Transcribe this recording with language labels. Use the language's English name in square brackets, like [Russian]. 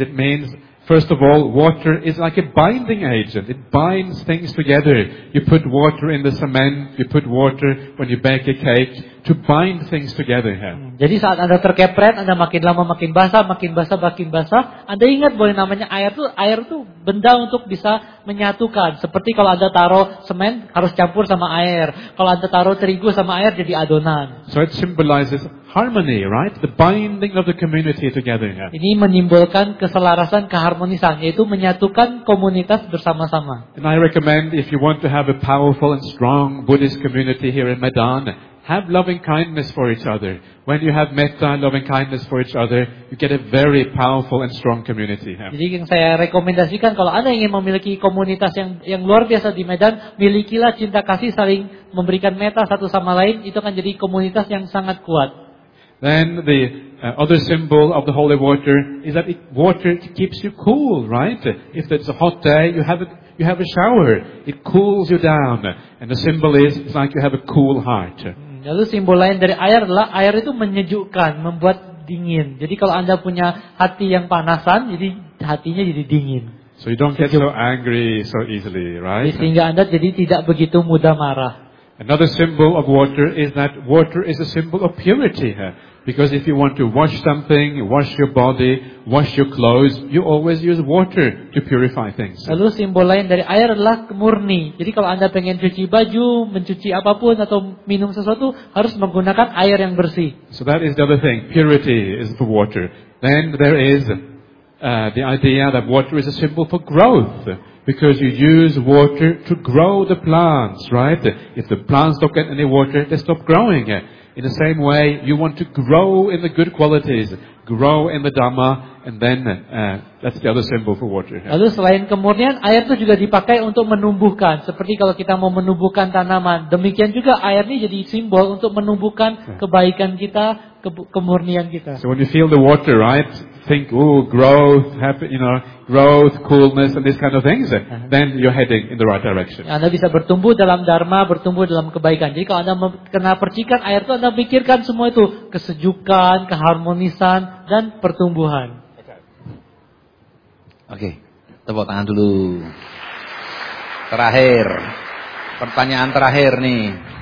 [English] It means, first of all, water is like a binding agent. It binds things together. You put water in the cement, you put water when you bake a cake, to bind things together. [Indonesian] Jadi saat Anda terkepret, Anda makin lama makin basah, Anda ingat bahwa namanya air itu benda untuk bisa menyatukan. Seperti kalau Anda taruh semen, harus campur sama air. Kalau Anda taruh terigu sama air, jadi adonan. [English] So it symbolizes harmony, right? The binding of the community together. [Indonesian] Ini menimbulkan keselarasan, keharmonisan, yaitu menyatukan komunitas bersama-sama. [English] And I recommend, if you want to have a powerful and strong Buddhist community here in Medan, have loving kindness for each other. When you have metta, loving kindness for each other, you get a very powerful and strong community. [Indonesian] Jadi yang saya rekomendasikan, kalau Anda ingin memiliki komunitas yang luar biasa di Medan, milikilah cinta kasih, saling memberikan metta satu sama lain, itu akan jadi komunitas yang sangat kuat. [English] Then the other symbol of the holy water is that water keeps you cool, right? If it's a hot day, you have a shower, it cools you down, and the symbol is it's like you have a cool heart. [Indonesian] Lalu simbol lain dari air adalah air itu menyejukkan, membuat dingin. Jadi kalau Anda punya hati yang panasan, jadi hatinya jadi dingin. [English] So you don't get so angry so easily, right? [Indonesian] Sehingga Anda jadi tidak begitu mudah marah. [English] Another symbol of water is that water is a symbol of purity. Because if you want to wash something, wash your body, wash your clothes, you always use water to purify things. [Indonesian] Lalu simbol lain dari air adalah murni. Jadi kalau Anda pengen cuci baju, mencuci apapun, atau minum sesuatu, harus menggunakan air yang bersih. [English] So that is the other thing. Purity is for water. Then there is the idea that water is a symbol for growth. Because you use water to grow the plants, right? If the plants don't get any water, they stop growing. In the same way, you want to grow in the good qualities, grow in the Dhamma, and then that's the other symbol for water. [Indonesian] Lalu selain kemurnian, air itu juga dipakai untuk menumbuhkan. Seperti kalau kita mau menumbuhkan tanaman, demikian juga air ini jadi simbol untuk menumbuhkan kebaikan kita, kemurnian kita. [English] So when you feel the water, right? Think, oh, growth, happy, you know, growth, coolness, and these kind of things. Then you're heading in the right direction. [Indonesian] Anda bisa bertumbuh dalam dharma, bertumbuh dalam kebaikan. Jadi kalau Anda kena percikan air itu, Anda pikirkan semua itu kesejukan, keharmonisan, dan pertumbuhan. Okay, tepuk tangan dulu. Terakhir, pertanyaan terakhir nih.